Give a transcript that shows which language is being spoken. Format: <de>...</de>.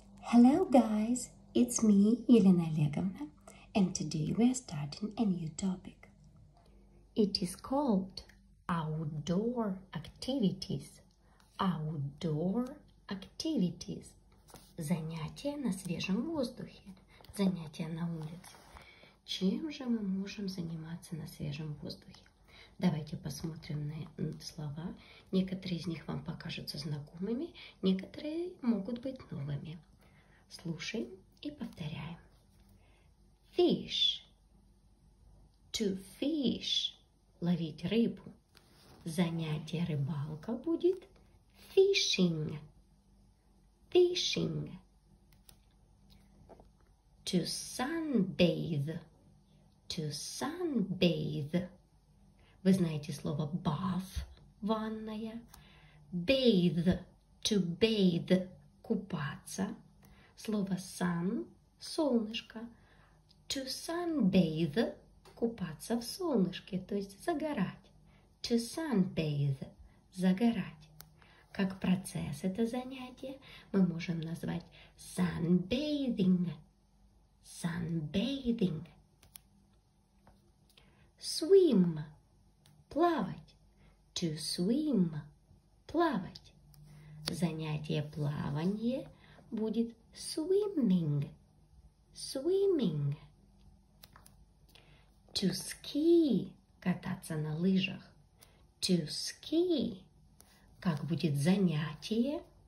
<en>Hello guys, it's me, Елена Олеговна, and today we're starting a new topic. It is called outdoor activities. Outdoor activities.</en> <ru>Занятия на свежем воздухе. Занятия на улице. Чем же мы можем заниматься на свежем воздухе? Давайте посмотрим на слова. Некоторые из них вам покажутся знакомыми, некоторые могут быть новыми. Слушаем и повторяем. Fish.</ru> <en>To fish.</en> <ru>Ловить рыбу. Занятие рыбалка будет fishing.</ru> <en>Fishing. To sunbathe. To sunbathe.</en> <ru>Вы знаете слово bath, ванная.</ru> <en>Bathe. To bathe. Купаться.</en> <ru>Слово sun, солнышко, to sunbathe, купаться в солнышке, то есть загорать.</ru> <en>To sunbathe, загорать.</en> <ru>Как процесс это занятие, мы можем назвать sunbathing, sunbathing.</ru> <en>Swim, плавать, to swim, плавать.</en> <ru>Занятие плавание будет swimming, swimming.</ru> <en>To ski,</en> <ru>кататься на лыжах. To ski, как будет занятие?</ru>